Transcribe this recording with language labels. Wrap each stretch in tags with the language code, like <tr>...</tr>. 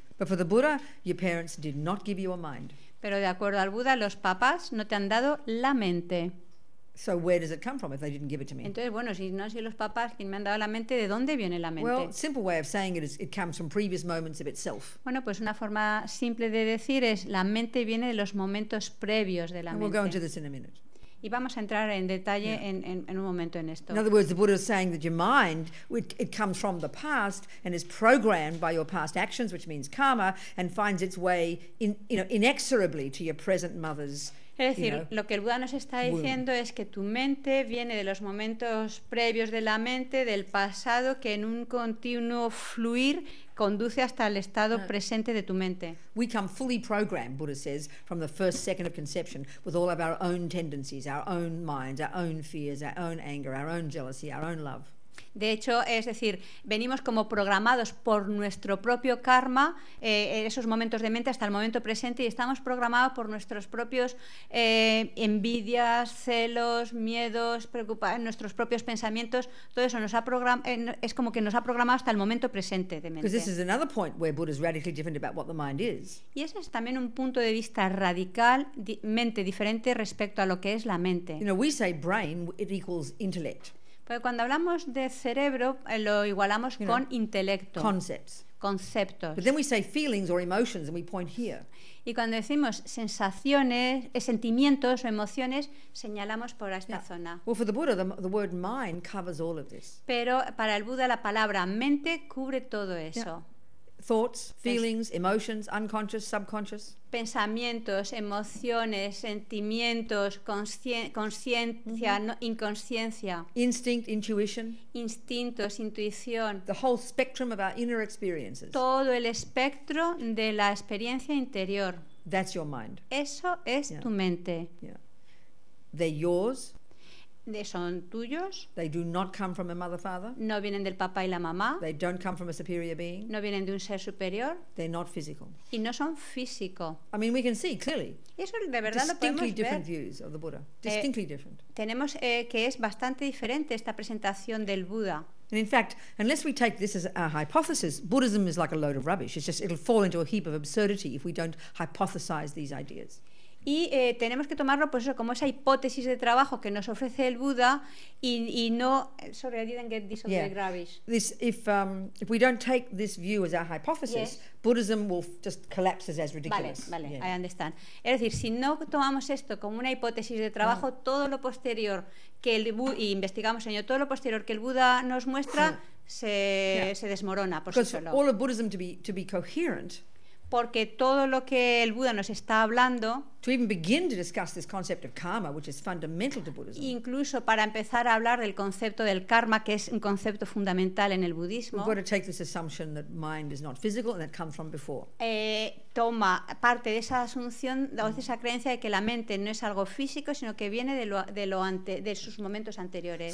<en>But for the Buddha, your parents did not give you a mind.</en> <es>Pero de acuerdo al Buda, los papás no te han dado la mente.</es> <en>So where does it come from if they didn't give it to me?</en> <es>Entonces, bueno, si no han sido los papás quien me han dado la mente, ¿de dónde viene la mente?</es> <en>Well, simple way of saying it is it comes from previous moments of itself.</en> <es>Bueno, pues una forma simple de decir es la mente viene de los momentos previos de la mente.</es> <en>We'll go into this in a minute.</en> <es>Y vamos a entrar en detalle en un momento en esto.</es> <en>In other words, the Buddha is saying that your mind, it comes from the past and is programmed by your past actions, which means karma, and finds its way inexorably to your present mother's.</en> <es>Es decir,</es> <en>you know,</en> <es>lo que el Buda nos está diciendo es que tu mente viene de los momentos previos de la mente, del pasado, que en un continuo fluir conduce hasta el estado presente de tu mente.</es> <en>We come fully programmed, Buddha says, from the first second of conception with all of our own tendencies, our own minds, our own fears, our own anger, our own jealousy, our own love.</en> <es>De hecho, es decir, venimos como programados por nuestro propio karma, esos momentos de mente hasta el momento presente, y estamos programados por nuestros propios envidias, celos, miedos, preocupaciones, nuestros propios pensamientos. Todo eso nos ha es como que nos ha programado hasta el momento presente de mente.</es> <en>Because this is another point where Buddha is radically different about what the mind is.</en> <es>Y ese es también un punto de vista radical, mente diferente respecto a lo que es la mente.</es> <en>You know, we say brain, it equals intellect.</en> <es>Porque cuando hablamos de cerebro lo igualamos con intelecto,</es> <en>concepts.</en> <es>Conceptos.</es> <en>But then we say feelings or emotions and we point here.</en> <es>Y cuando decimos sensaciones, sentimientos o emociones, señalamos por esta zona.</es> <en>Well, for the Buddha, the word mind covers all of this.</en> <es>Pero para el Buda la palabra mente cubre todo eso.</es> <en>Thoughts, feelings, emotions, unconscious, subconscious.</en> <es>Pensamientos, emociones, sentimientos, conciencia, inconsciencia.</es> <en>Instinct, intuition.</en> <es>Instintos, intuición.</es> <en>The whole spectrum of our inner experiences.</en> <es>Todo el espectro de la experiencia interior.</es> <en>That's your mind.</en> <es>Eso es tu mente.</es> <en>Yeah. They're yours.</en> <es>Son tuyos.</es> <en>They do not come from a mother, father.</en> <es>No vienen del papá y la mamá.</es> <en>They don't come from a superior being.</en> <es>No vienen de un ser superior.</es> <en>They're not physical.</en> <es>Y no son físico.</es> <en>I mean, we can see clearly.</en> <es>Eso de verdad lo podemos ver.</es> <en>Distinctly different views of the Buddha. Distinctly different.</en> <es>Tenemos que es bastante diferente esta presentación del Buda.</es> <en>And in fact, unless we take this as our hypothesis, Buddhism is like a load of rubbish. It's just, it'll fall into a heap of absurdity if we don't hypothesize these ideas.</en> <es>Y tenemos que tomarlo pues eso, como esa hipótesis de trabajo que nos ofrece el Buda y no</es> <en>sorry I didn't get this on the gravis. This if we don't take this view as our hypothesis, Buddhism will just collapses as ridiculous. Vale, I understand.</en> <es>Es decir, si no tomamos esto como una hipótesis de trabajo, todo lo posterior que el Buda, y investigamos en ello, todo lo posterior que el Buda nos muestra se desmorona por sí solo.</es> <en>Because all of Buddhism to be coherent.</en> <es>Porque todo lo que el Buda nos está hablando,</es> <en>to even begin to discuss this concept of karma, which is fundamental to Buddhism,</en> <es>incluso para empezar a hablar del concepto del karma, que es un concepto fundamental en el budismo,</es> <en>we've got to take this assumption that mind is not physical and that comes from before.</en> <es>Toma parte de esa asunción, o de esa creencia de que la mente no es algo físico, sino que viene de sus momentos anteriores.</es>